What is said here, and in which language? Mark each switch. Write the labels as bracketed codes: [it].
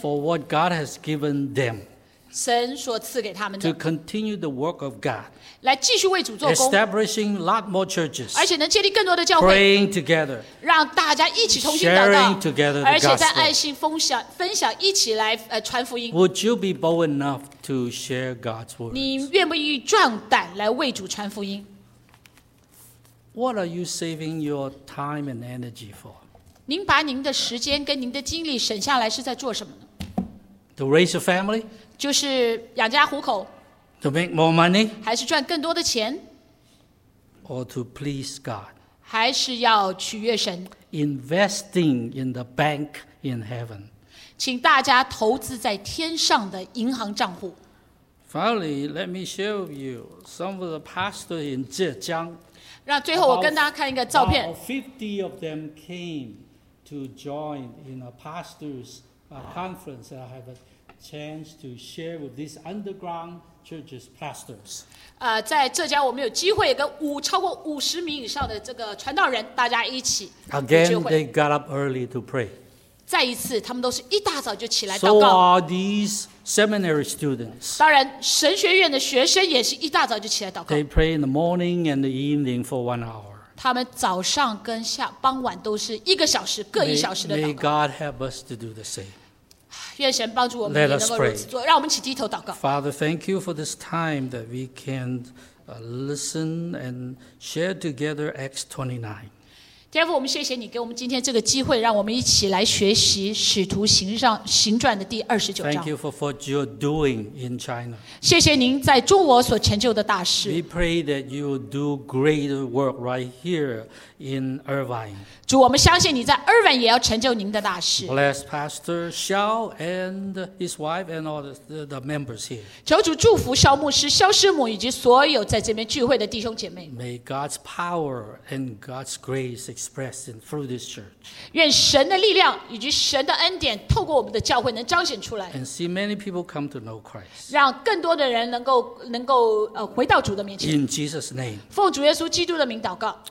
[en] for what God has given them. [zh] 神所赐给他们的 [en] to continue the work of God, [zh] 来继续为主做工 [en] establishing lot more churches, [zh] 而且能建立更多的教会 [en] praying together, [zh] 让大家一起同心祷告 [en] sharing together the gospel, [zh] 而且在爱心分享一起来传福音 [en] Would you be bold enough to share God's word? [zh] 你愿不愿意壮胆来为主传福音 [en] What are you saving your time and energy for? [zh] 您把您的时间跟您的精力省下来是在做什么呢 [en] To raise a family? [zh] 就是养家糊口 [en] To make more money? [zh] 还是赚更多的钱? [en] Or to please God? [zh] 还是要取悦神? [en] Investing in the bank in heaven. [zh] 请大家投资在天上的银行账户。 [en] Finally, let me show you some of the pastors in Zhejiang. [zh] 让最后我跟大家看一个照片。 [en] About 50 of them came to join in a pastor's conference that I have a chance to share with these underground churches pastors. [zh] 在浙江我们有机会跟超过50名以上的这个传道人大家一起聚会。 [en] Again, they got up early to pray. [zh] 再一次他们都是一大早就起来祷告。 [en] So are these seminary students. [zh] 当然神学院的学生也是一大早就起来祷告。 [en] They pray in the morning and the evening for 1 hour. [zh] 他们早上跟下傍晚都是一个小时各一小时的祷告。 [en] May God help us to do the same. [zh] 愿神帮助我们也能够如此做。让我们一起低头祷告。 [en] Father, thank you for this time that we can listen and share together Acts 29. [zh] 天父，我们谢谢你给我们今天这个机会，让我们一起来学习《使徒行传》的第29章。 [en] Thank you for what you're doing in China. [zh] 谢谢您在中国所成就的大事。 [en] We pray that you do greater work right here in Irvine. [zh] 主，我们相信你在 Irvine 也要成就您的大事。 [en] Bless Pastor Xiao and his wife and all the members here. [zh] 求主祝福肖牧师、肖师母以及所有在这边聚会的弟兄姐妹。 [en] May God's power and God's grace express in through this church. [zh] 愿神的力量以及神的恩典透过我们的教会能彰显出来。 [en] And see many people come to know Christ. [zh] 让更多的人能够回到主的面前。 [en] In Jesus' name. [zh] 奉主耶稣基督的名祷告。